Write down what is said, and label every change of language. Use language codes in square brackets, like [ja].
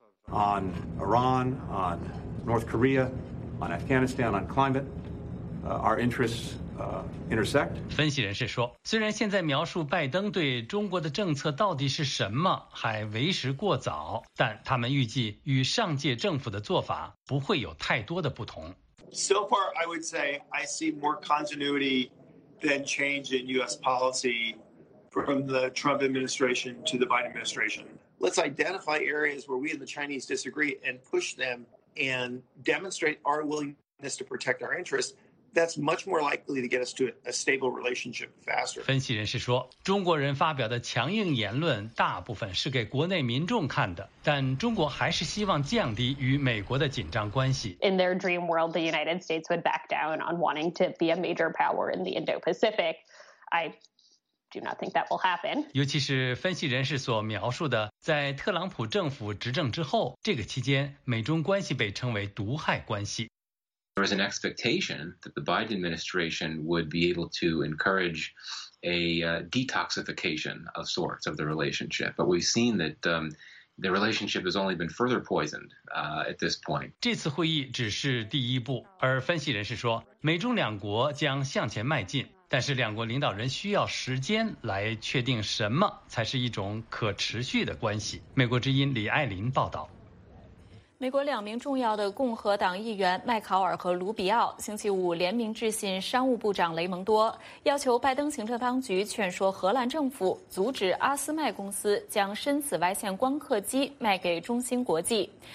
[en] On Iran, on North Korea, on Afghanistan, on climate, our interests intersect. [zh] 分析人士说，虽然现在描述拜登对中国的政策到底是什么还为时过早，但他们预计与上届政府的做法不会有太多的不同。 [en] So far, I would say I see more continuity than change in U.S. policy. From the Trump administration to the Biden administration. Let's identify areas where we and the Chinese disagree and push them and demonstrate our willingness to protect our interests. That's much more likely to get us to a stable relationship faster. [zh] 分析人士说，中国人发表的强硬言论大部分是给国内民众看的，但中国还是希望降低与美国的紧张关系。 [en] In their dream world, the United States would back down on wanting to be a major power in the Indo-Pacific. I do not think that will happen. [zh] 尤其是分析人士所描述的，在特朗普政府执政之后，这个期间美中关系被称为毒害关系。 [en] There was an expectation that the Biden administration would be able to encourage a detoxification of sorts of the relationship, but we've seen that the relationship has only been further poisoned at this point. [zh] 这次会议只是第一步，而分析人士说，美中两国将向前迈进。但是两国领导人需要时间来确定什么才是一种可持续的关系。美国之音李爱琳报道。美国两名重要的共和党议员麦考尔和卢比奥星期五联名致信商务部长雷蒙多，要求拜登行政当局劝说荷兰政府阻止阿斯麦公司将深紫外线光刻机卖给中芯国际。